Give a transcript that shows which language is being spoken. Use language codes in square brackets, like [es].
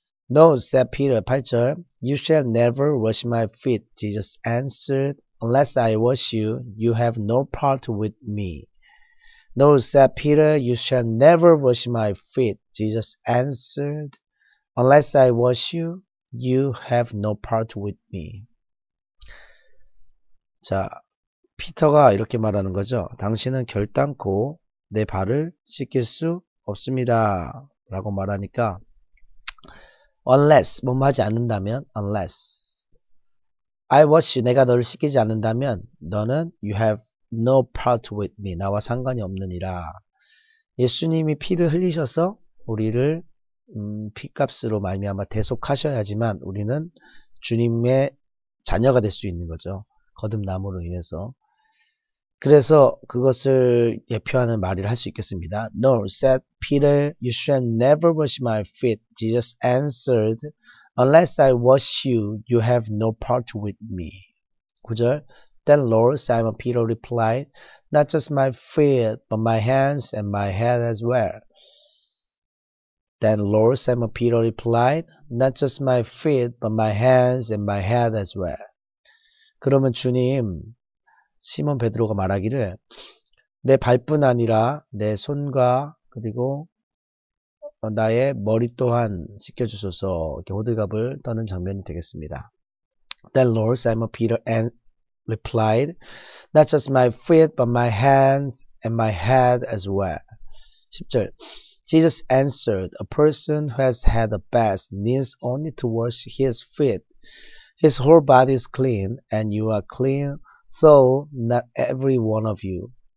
[en] No, said Peter, 8절, You shall never wash my feet, Jesus answered, Unless I wash you, you have no part with me. No, said Peter, You shall never wash my feet, Jesus answered, Unless I wash you, you have no part with me. [ko] 자, 피터가 이렇게 말하는 거죠. 당신은 결단코 내 발을 씻길 수 없습니다. 라고 말하니까 Unless, 뭐뭐 하지 않는다면, unless. [en] I wash you, [ko] 내가 너를 씻기지 않는다면, 너는 [en] you have no part with me, [ko] 나와 상관이 없느니라. 예수님이 피를 흘리셔서 우리를 피값으로 말미암아 대속하셔야지만 우리는 주님의 자녀가 될 수 있는 거죠. 거듭남으로 인해서. 그래서 그것을 예표하는 말을 할 수 있겠습니다. [en] No, said Peter, you shall never wash my feet. Jesus answered, unless I wash you, you have no part with me. 9절, then Lord Simon Peter replied, not just my feet, but my hands and my head as well. Then Lord Simon Peter replied, not just my feet, but my hands and my head as well. [ko] 그러면 주님, 시몬 베드로가 말하기를 내 발뿐 아니라 내 손과 그리고 나의 머리 또한 씻겨주소서 이렇게 호들갑을 떠는 장면이 되겠습니다. [en] Then Lord Simon Peter replied, Not just my feet, but my hands and my head as well. 10절, Jesus answered, A person who has had a bath needs only to wash his feet. His whole body is clean, and you are clean, though not every one of you.